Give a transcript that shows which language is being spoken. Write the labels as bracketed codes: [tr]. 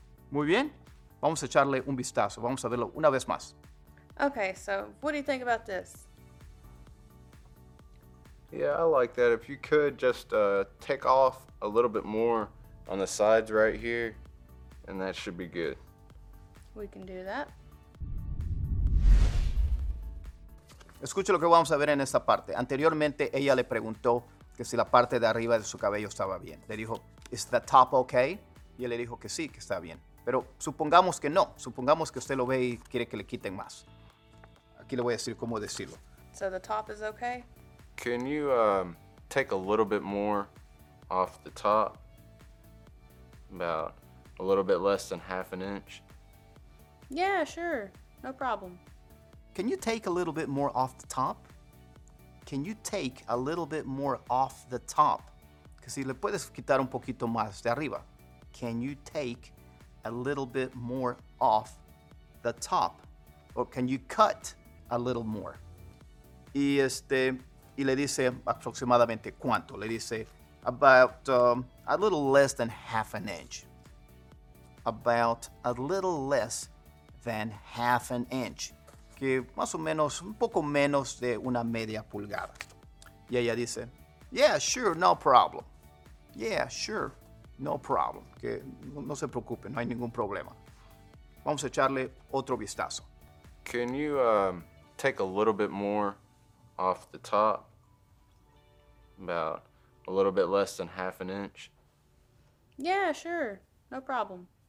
[es] Muy bien. Vamos a echarle un vistazo. Vamos a verlo una vez más. [en] Okay, so what do you think about this? Yeah, I like that. If you could just take off a little bit more on the sides right here, and that should be good. We can do that. [es] Escuche lo que vamos a ver en esta parte. Anteriormente, ella le preguntó que si la parte de arriba de su cabello estaba bien. Le dijo, [en] is the top okay? [es] Y él le dijo que sí, que está bien. Pero supongamos que no. Supongamos que usted lo ve y quiere que le quiten más. Aquí le voy a decir cómo decirlo. [en] So the top is okay? Can you take a little bit more off the top? About a little bit less than half an inch? Yeah, sure. No problem. Can you take a little bit more off the top? Can you take a little bit more off the top? [es] Que si le puedes quitar un poquito más de arriba. [en] Can you take a little bit more off the top? Or can you cut a little more? [es] Y este, y le dice aproximadamente cuánto. Le dice [en] about a little less than half an inch. About a little less than half an inch. [es] Que más o menos, un poco menos de una media pulgada. Y ella dice, [en] yeah, sure, no problem. Yeah, sure, no problem. [es] Que no se preocupe, no hay ningún problema. Vamos a echarle otro vistazo. [en] Can you take a little bit more off the top? About a little bit less than half an inch? Yeah, sure, no problem.